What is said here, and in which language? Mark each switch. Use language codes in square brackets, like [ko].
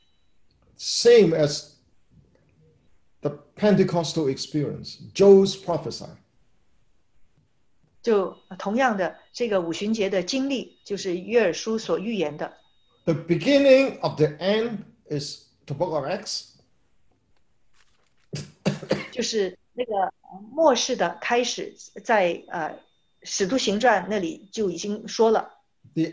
[zh] 因为他们分不出耶稣第一次来还有第二次再来。 [en] Same as the Pentecostal experience, Joel's prophesy. [zh] 就同样的这个五旬节的经历就是约珥书所预言的。 [en] The beginning of the end is the book of Acts. [zh] 就是那个末世的开始在使徒行传那里就已经说了。 [en] The